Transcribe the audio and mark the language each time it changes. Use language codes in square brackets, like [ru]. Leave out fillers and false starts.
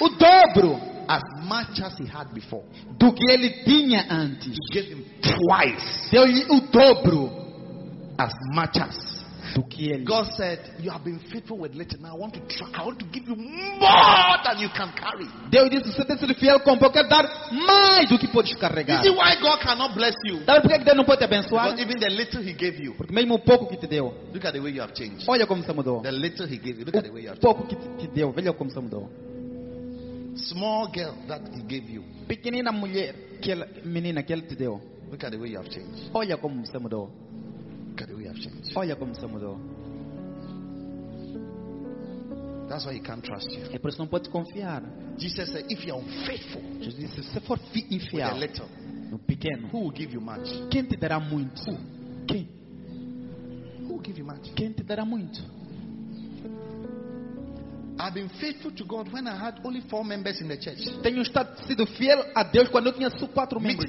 [pt] o dobro, [en] as much as he had before, [pt] do que ele tinha antes. [en] He gave him twice, [pt] deu-lhe o dobro, [en] as much as [pt] do que ele. [en] God said, "You have been faithful with little. Now I want to give you more than you can carry." [pt] Deus disse, você tem sido fiel com pouco, quero dar mais do que podes carregar. [en] You see why God cannot bless you? [pt] Sabe por que Deus não pode te abençoar? [en] Because even the little He gave you. [pt] Porque mesmo o pouco que te deu. [en] Look at the way you have changed. [pt] Olha como você mudou. [en] The little He gave you. Look at the way you have changed. [pt] Pouco que te deu. Veja como você mudou. [en] Small girl that He gave you. [pt] Pequenina mulher, aquela menina que Ele te deu. [en] Look at the way you have changed. [pt] Olha como você mudou. [en] We have changed. [pt] Olha como você mudou. [en] That's why he can't trust you. [pt] É por isso que não pode confiar. [en] Jesus said, "If you are unfaithful, [pt] Jesus disse, se for infiel, [en] little, [pt] no pequeno, [en] who will give you much? [pt] Quem te dará muito? [en] Who? [pt] Quem? [en] Who will give you much? [pt] Quem te dará muito? [en] I've been faithful to God when I had only 4 members in the church. [pt] Tenho sido fiel a Deus quando eu tinha só 4 membros.